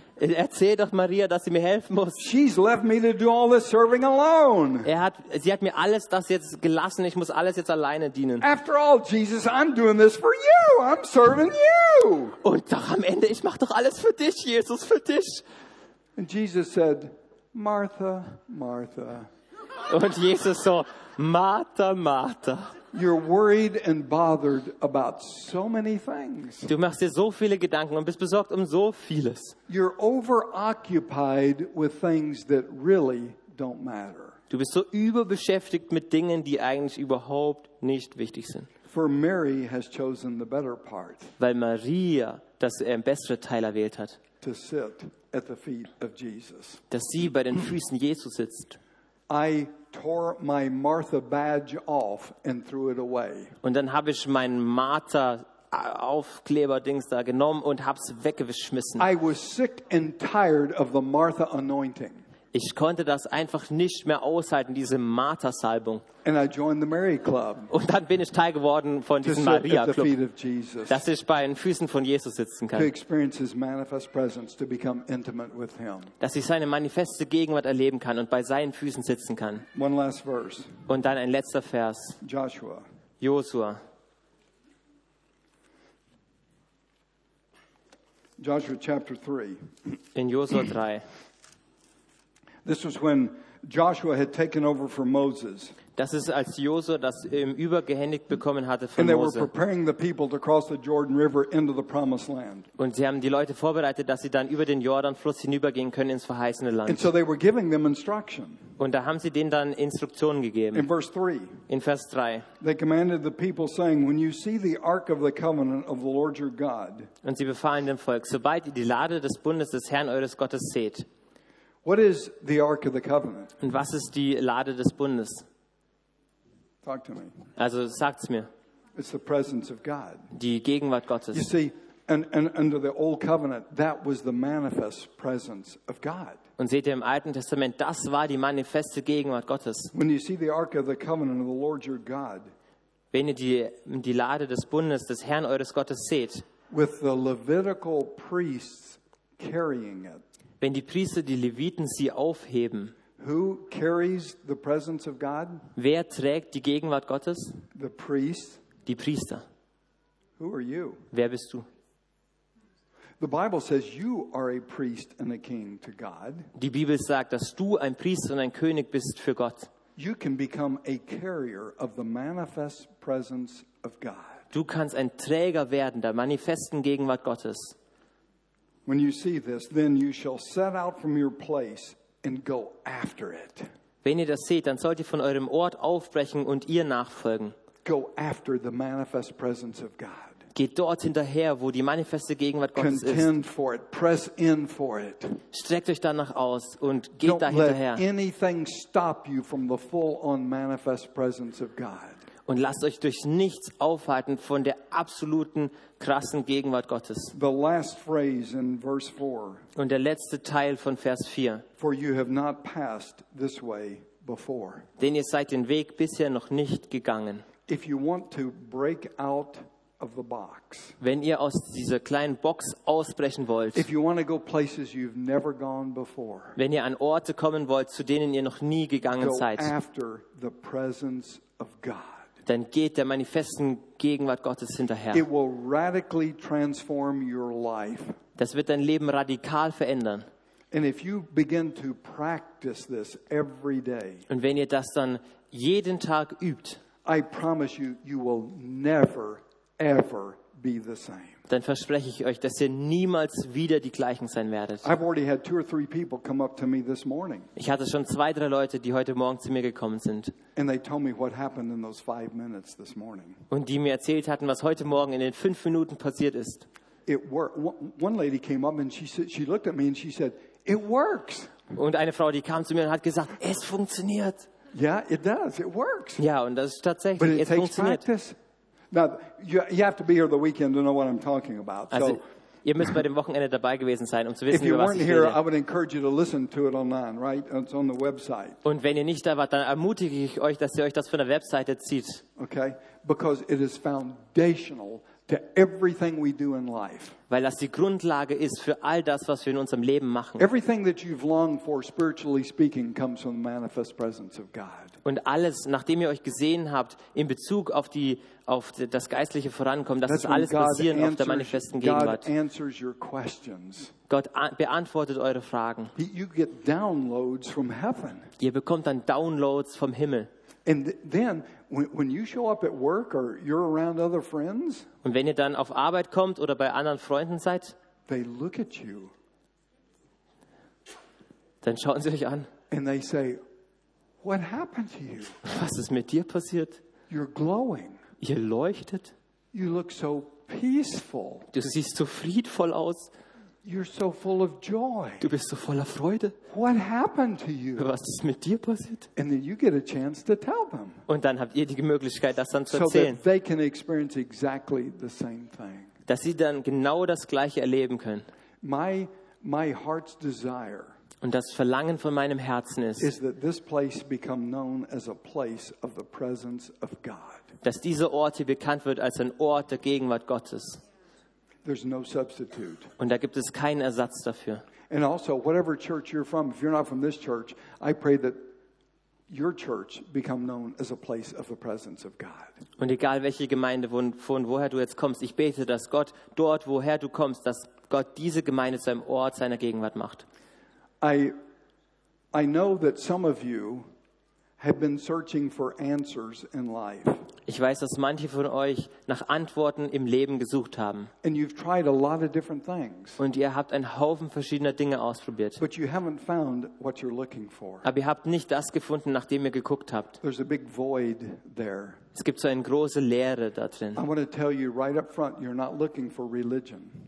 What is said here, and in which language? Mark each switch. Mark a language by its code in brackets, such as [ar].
[de] Erzähl doch Maria, dass sie mir helfen muss. [en] She's left me to do all this serving alone. [de] Sie hat mir alles das jetzt gelassen. Ich muss alles jetzt alleine dienen. [en] After all, Jesus, I'm doing this for you. I'm serving you. [de] Und doch am Ende, ich mache doch alles für dich, Jesus, für dich. [en] And Jesus said, Martha, Martha. [de] Und Jesus so, Martha, Martha. [en] You're worried and bothered about so many things. [de] Du machst dir so viele Gedanken und bist besorgt um so vieles. [en] You're overoccupied with things that really don't matter. [de] Du bist so überbeschäftigt mit Dingen, die eigentlich überhaupt nicht wichtig sind. [en] For Mary has chosen the better part. [de] Weil Maria das bessere Teil erwählt hat. [en] To sit at the feet of Jesus. [de] Dass sie bei den Füßen Jesu sitzt. [en] I tore my Martha badge off and threw it away. [de] Und dann habe ich mein Martha Aufkleberdings da genommen und hab's weggeschmissen. [en] I was sick and tired of the Martha anointing. [de] Ich konnte das einfach nicht mehr aushalten, diese Martha Salbung. [en] And I joined the Mary Club. [de] Und dann bin ich Teil geworden von diesem Maria Club. Dass ich bei den Füßen von Jesus sitzen kann. [en] To experience his manifest presence, to become intimate with him. [de] Dass ich seine manifeste Gegenwart erleben kann und bei seinen Füßen sitzen kann. [en] One last verse. [de] Und dann ein letzter Vers. [en] Joshua. [de] Joshua. [en] Joshua chapter 3. [de] In Joshua 3. [en] This was when Joshua had taken over for Moses. [de] Das ist, als Josua das übergehändigt bekommen hatte von Mose. [en] And they were preparing the people to cross the Jordan River into the Promised Land. [de] Und sie haben die Leute vorbereitet, dass sie dann über den Jordanfluss hinübergehen können ins verheißene Land. [en] And so they were giving them instruction. [de] Und da haben sie denen dann Instruktionen gegeben. In Vers 3. [en] They commanded the people saying, when you see the ark of the covenant of the Lord your God. [de] Und sie befahlen dem Volk, sobald ihr die Lade des Bundes des Herrn eures Gottes seht. [en] What is the Ark of the Covenant? [de] Und was ist die Lade des Bundes? [en] Talk to me. [de] Also sagt's mir. [en] It's the presence of God. [de] Die Gegenwart Gottes. [en] You see, And under the old covenant, that was the manifest presence of God. [de] Und seht ihr im Alten Testament, das war die manifeste Gegenwart Gottes. [en] When you see the Ark of the Covenant of the Lord your God, [de] wenn ihr die Lade des Bundes des Herrn eures Gottes seht, [en] with the Levitical priests carrying it, [de] wenn die Priester, die Leviten, sie aufheben, [en] who carries the presence of God? [de] Wer trägt die Gegenwart Gottes? [en] The priests. [de] Die Priester. [en] Who are you? [de] Wer bist du? [en] The Bible says you are a priest and a king to God. [de] Die Bibel sagt, dass du ein Priester und ein König bist für Gott. [en] You can become a carrier of the manifest presence of God. [de] Du kannst ein Träger werden der manifesten Gegenwart Gottes. [en] When you see this, then you shall set out from your place and go after it. [de] Wenn ihr das seht, dann sollt ihr von eurem Ort aufbrechen und ihr nachfolgen. [en] Go after the manifest presence of God. [de] Geht dort hinterher, wo die manifeste Gegenwart Gottes ist. [en] Contend for it. Press in for it. [de] Streckt euch danach aus und geht da hinterher. [en] Don't let anything stop you from the full-on manifest presence of God. [de] Und lasst euch durch nichts aufhalten von der absoluten, krassen Gegenwart Gottes. [en] The last phrase in verse 4. [de] Und der letzte Teil von Vers 4. [en] For you have not passed this way before. [de] Denn ihr seid den Weg bisher noch nicht gegangen. [en] If you want to break out of the box, [de] wenn ihr aus dieser kleinen Box ausbrechen wollt, [en] if you want to go places you've never gone before, [de] wenn ihr an Orte kommen wollt, zu denen ihr noch nie gegangen seid, [en] go after the presence of God, [de] dann geht der manifesten Gegenwart Gottes hinterher. [en] It will radically transform your life. [de] Das wird dein Leben radikal verändern. [en] And if you begin to practice this every day, [de] und wenn ihr das dann jeden Tag übt, [en] I promise you, you will never, ever be the same. [de] Dann verspreche ich euch, dass ihr niemals wieder die gleichen sein werdet. [en] I've already had two or three people come up to me this morning. [de] Ich hatte schon zwei, drei Leute, die heute Morgen zu mir gekommen sind. [en] And they told me what happened in those 5 minutes this morning. [de] Und die mir erzählt hatten, was heute Morgen in den 5 Minuten passiert ist. [en] It worked. One lady came up and she looked at me and she said, "It works." [de] Und eine Frau, die kam zu mir und hat gesagt, es funktioniert. [en] Yeah, it does. It works. [de] Ja, und das ist tatsächlich. [en] But it takes practice. Now, you have to be here the weekend to know what I'm talking about. [de] Also, ihr müsst bei dem Wochenende dabei gewesen sein, um zu wissen, über was ich rede. [en] If you weren't here, I would encourage you to listen to it online, right? It's on the website. [de] Und wenn ihr nicht da wart, dann ermutige ich euch, dass ihr euch das von der Webseite zieht. [en] Okay, because it is foundational to everything we do in life. [de] Weil das die Grundlage ist für all das, was wir in unserem Leben machen. [en] Everything that you've longed for, spiritually speaking, comes from the manifest presence of God. [de] Und alles, nachdem ihr euch gesehen habt, in Bezug auf das geistliche Vorankommen, das ist alles basierend auf der manifesten Gegenwart. [en] God answers your questions. [de] Gott beantwortet eure Fragen. [en] You get downloads from heaven. [de] Ihr bekommt dann Downloads vom Himmel. [en] And then when you show up at work or you're around other friends, [de] und wenn ihr dann auf Arbeit kommt oder bei anderen Freunden seid, [en] they look at you, [de] dann schauen sie euch an, [en] and they say, what happened to you? [de] Was ist mit dir passiert? [en] You're glowing. [de] Ihr leuchtet. [en] You look so peaceful. [de] Du siehst so friedvoll aus. [en] You're so full of joy. [de] Du bist so voller Freude. [en] What happened to you? [de] Was ist mit dir passiert? [en] And then you get a chance to tell them. [de] Und dann habt ihr die Möglichkeit, das dann zu erzählen. [en] So that they can experience exactly the same thing. [de] Dass sie dann genau das Gleiche erleben können. [en] My heart's desire. [de] Und das Verlangen von meinem Herzen ist, [en] is that this place become known as a place of the presence of God. [de] Dass dieser Ort hier bekannt wird als ein Ort der Gegenwart Gottes. [en] There's no substitute. [de] Und da gibt es keinen Ersatz dafür. [en] And also, whatever church you're from, if you're not from this church, I pray that your church become known as a place of the presence of God. [de] Und egal welche Gemeinde von woher du jetzt kommst, ich bete, dass Gott dort, woher du kommst, dass Gott diese Gemeinde zu einem Ort seiner Gegenwart macht. [en] I know that some of you have been searching for answers in life. [de] Ich weiß, dass manche von euch nach Antworten im Leben gesucht haben. [en] And you've tried a lot of different things. [de] Und ihr habt einen Haufen verschiedener Dinge ausprobiert. [en] But you haven't found what you're looking for. [de] Aber ihr habt nicht das gefunden, nach dem ihr geguckt habt. [en] There's a big void there. [de] Es gibt so eine große Leere da drin. [en] I want to tell you right up front, you're not looking for religion.